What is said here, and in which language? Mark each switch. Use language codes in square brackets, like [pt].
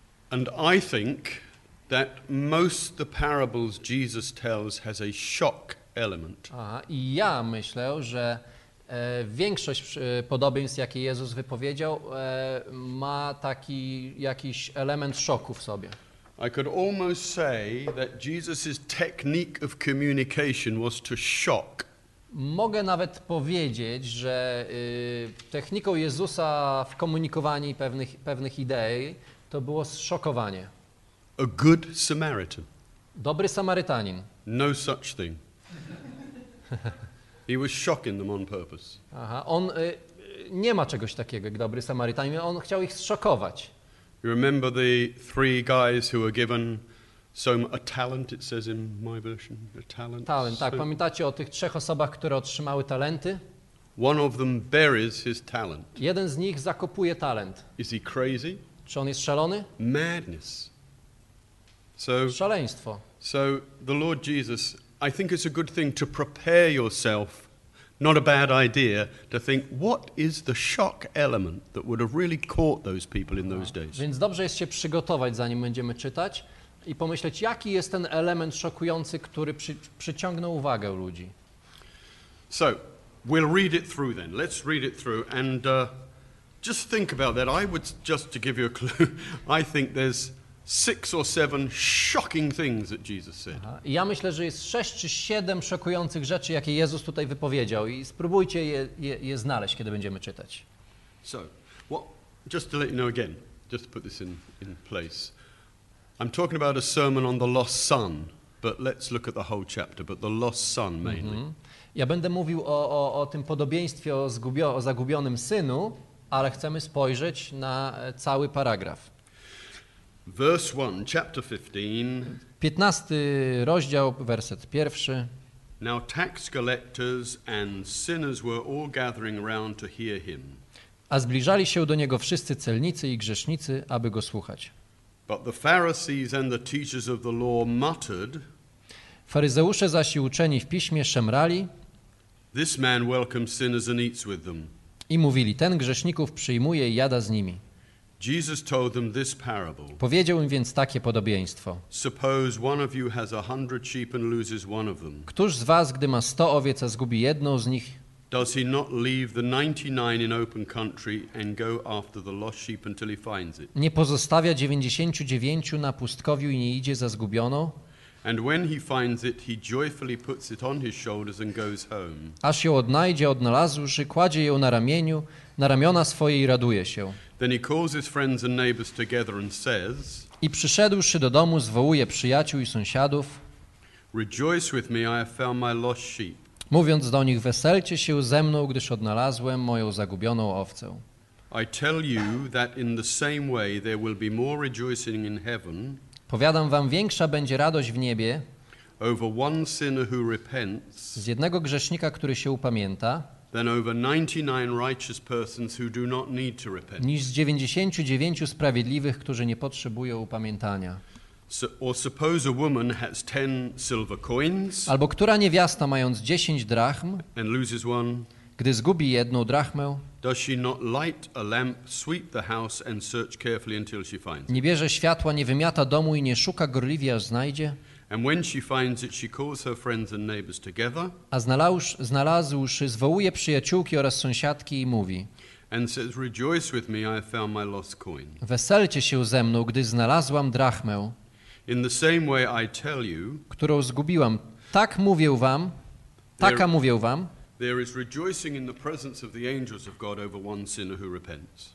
[en] And I think that most the parables Jesus tells has a shock element. [pl] Aha, i ja myślę, że większość podobieństw, jakie Jezus wypowiedział, ma taki jakiś element szoku w sobie. [en] I could almost say that Jesus's technique of communication was to shock. [pl] Mogę nawet powiedzieć, że techniką Jezusa w komunikowaniu pewnych idei to było zszokowanie. [en] A good Samaritan. [pl] Dobry Samarytanin. [en] No such thing. He was shocking them on purpose. [pl] Aha, on nie ma czegoś takiego jak dobry Samarytanin, on chciał ich zszokować. [en] You remember the three guys who were given a talent, it says in my version, a talent. [pl] Talent, tak. Pamiętacie o tych trzech osobach, które otrzymały talenty? [en] One of them buries his talent. [pl] Jeden z nich zakopuje talent. [en] Is he crazy? [pl] Czy on jest szalony? [en] Madness. [pl] Szaleństwo. [en] So the Lord Jesus, I think it's a good thing to prepare yourself. Not a bad idea to think what is the shock element that would have really caught those people in those days. [pl] Więc dobrze jest się przygotować, zanim będziemy czytać i pomyśleć, jaki jest ten element szokujący, który przyciągnął uwagę ludzi. [en] So, we'll read it through then. Let's read it through and just think about that. I would, just to give you a clue, I think there's 6 or 7 shocking things that Jesus said. [pl] Ja myślę, że jest 6 czy 7 szokujących rzeczy, jakie Jezus tutaj wypowiedział i spróbujcie je znaleźć, kiedy będziemy czytać. [en] So, just to let you know again, just to put this in place. I'm talking about a sermon on the lost son, but let's look at the whole chapter, but the lost son mainly. Mm-hmm. [pl] Ja będę mówił o tym podobieństwie o zagubionym synu, ale chcemy spojrzeć na cały paragraf. [en] Verse 1, chapter 15. [pl] 15 rozdział, werset pierwszy. [en] Now tax collectors and sinners were all gathering round to hear him. [pl] A zbliżali się do niego wszyscy celnicy i grzesznicy, aby go słuchać. [en] But the Pharisees and the teachers of the law muttered. [pl] Faryzeusze zaś i uczeni w piśmie szemrali. [en] This man welcomes sinners and eats with them. [pl] I mówili, ten grzeszników przyjmuje i jada z nimi. [en] Jesus told them this parable. [pl] Powiedział im więc takie podobieństwo. [en] Suppose one of you has 100 sheep and loses one of them. [pl] Któż z was, gdy ma 100 owiec, a zgubi jedną z nich? [en] Does he not leave the 99 in open country and go after the lost sheep until he finds it? [pl] Nie pozostawia 99 na pustkowiu i nie idzie za zgubioną? [en] And when he finds it, he joyfully puts it on his shoulders and goes home. [pl] Aż ją odnajdzie, odnalazłszy, kładzie ją na ramieniu, na ramiona swoje i raduje się. [en] Then he calls his friends and neighbors together and says, [pl] i przyszedłszy do domu, zwołuje przyjaciół i sąsiadów, [en] rejoice with me, I have found my lost sheep. [pl] Mówiąc do nich, weselcie się ze mną, gdyż odnalazłem moją zagubioną owcę. [en] I tell you that in the same way there will be more rejoicing in heaven. [pl] Powiadam wam, większa będzie radość w niebie [en] over one sinner who repents, [pl] z jednego grzesznika, który się upamięta, [en] than over 99 righteous persons who do not need to repent. [pl] Niż z 99 sprawiedliwych, którzy nie potrzebują upamiętania. [en] So, or suppose a woman has 10 silver coins, [pl] albo która niewiasta, mając 10 drachm, [en] and loses one, [pl] gdy zgubi jedną drachmę, [en] does she not light a lamp, sweep the house and search carefully until she finds it? [pl] Nie bierze światła, nie wymiata domu i nie szuka gorliwie, aż znajdzie. [en] And when she finds it, she calls her friends and neighbors together. [pl] A znalazłszy, zwołuje przyjaciółki oraz sąsiadki i mówi. [en] And says, rejoice with me, I have found my lost coin. [pl] Weselcie się ze mną, gdy znalazłam drachmę. [en] In the same way I tell you, [pl] którą zgubiłam. Tak mówię wam, taka mówię wam. [en] There is rejoicing in the presence of the angels of God over one sinner who repents.